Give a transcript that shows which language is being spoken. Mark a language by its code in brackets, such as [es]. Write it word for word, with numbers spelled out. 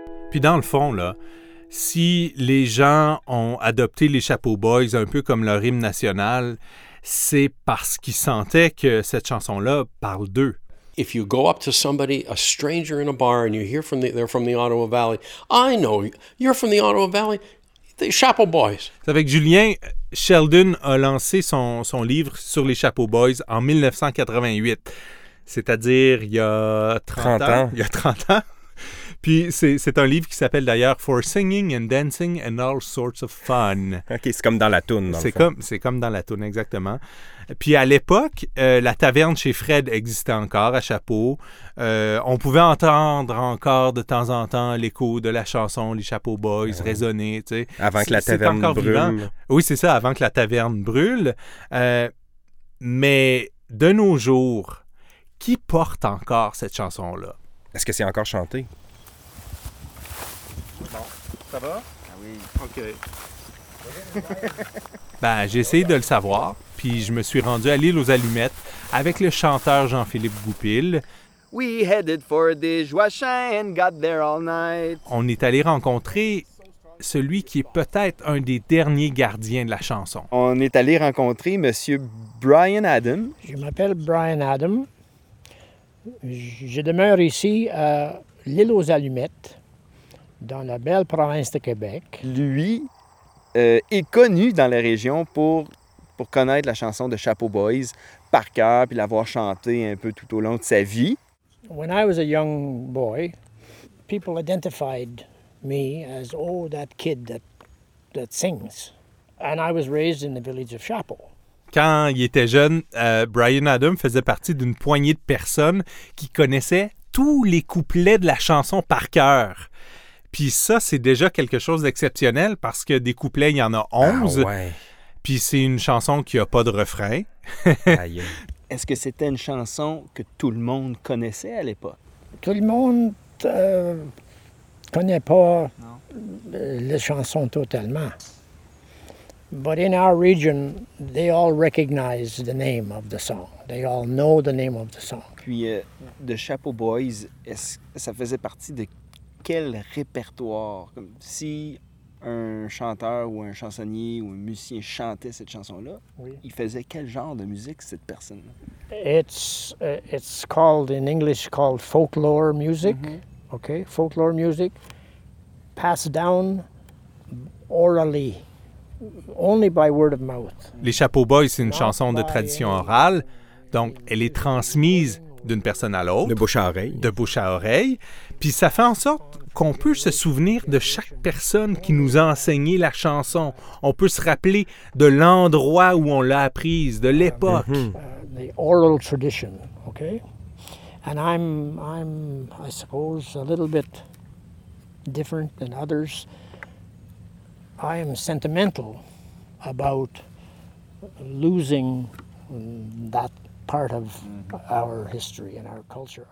[fr] Puis dans le fond, là, si les gens ont adopté les Chapeau Boys un peu comme leur hymne national, c'est parce qu'ils sentaient que cette chanson-là parle d'eux. [en] If you go up to somebody, a stranger in a bar, and you hear from the, they're from the Ottawa Valley, I know you're from the Ottawa Valley, the Chapeau Boys. [fr] C'est avec Julien, Sheldon a lancé son, son livre sur les Chapeau Boys en dix-neuf cent quatre-vingt-huit, c'est-à-dire il y a trente, trente ans. ans. Il y a trente ans. Puis c'est, c'est un livre qui s'appelle d'ailleurs « [en] For Singing and Dancing and All Sorts of Fun ». [fr] OK, c'est comme dans la toune. Dans c'est, comme, c'est comme dans la toune, exactement. Puis à l'époque, euh, la taverne chez Fred existait encore à Chapeau. Euh, on pouvait entendre encore de temps en temps l'écho de la chanson « Les Chapeau Boys ouais. » résonner, tu sais. Avant c'est, que la taverne brûle. Vivant. Oui, c'est ça, avant que la taverne brûle. Euh, mais de nos jours, qui porte encore cette chanson-là? Est-ce que c'est encore chanté? Bon, ça va? Ah oui. OK. Ben, j'ai essayé de le savoir, puis je me suis rendu à l'île aux Allumettes avec le chanteur Jean-Philippe Goupil. [en] We headed for the Joachim and got there all night. [fr] On est allé rencontrer celui qui est peut-être un des derniers gardiens de la chanson. On est allé rencontrer monsieur Brian Adam. Je m'appelle Brian Adam. Je demeure ici à l'île aux Allumettes, dans la belle province de Québec. Lui euh, est connu dans la région pour, pour connaître la chanson de Chapeau Boys par cœur puis l'avoir chantée un peu tout au long de sa vie. [en] When I was a young boy, people identified me as oh that kid that that sings. And I was raised in the village of Chapeau. [fr] Quand il était jeune, euh, Brian Adam faisait partie d'une poignée de personnes qui connaissaient tous les couplets de la chanson par cœur. Puis ça, c'est déjà quelque chose d'exceptionnel parce que des couplets, il y en a onze. Ah ouais. Puis c'est une chanson qui n'a pas de refrain. Aïe. Est-ce que c'était une chanson que tout le monde connaissait à l'époque? Tout le monde ne euh, connaît pas les chansons totalement. [en] But in our region, they all recognize the name of the song. They all know the name of the song. [fr] Puis euh, de Chapeau Boys, est-ce, ça faisait partie de quel répertoire? Comme si un chanteur ou un chansonnier ou un musicien chantait cette chanson-là, oui. Il faisait quel genre de musique, cette personne-là? [en] It's, uh, it's called, in English, called folklore music. Mm-hmm. Okay, folklore music. Passed down orally. Only by word of mouth. [fr] Les Chapeau Boys, c'est une [en] Not [fr] chanson de tradition [en] any... [fr] orale. Donc, elle est transmise d'une personne à l'autre. De bouche à oreille. De bouche à oreille. Puis ça fait en sorte qu'on peut se souvenir de chaque personne qui nous a enseigné la chanson. On peut se rappeler de l'endroit où on l'a apprise, de l'époque. Mm-hmm. [en] Uh, the oral tradition, okay? And I'm, I'm, I suppose, a little bit different than others. I am sentimental about losing that part of our history and our culture.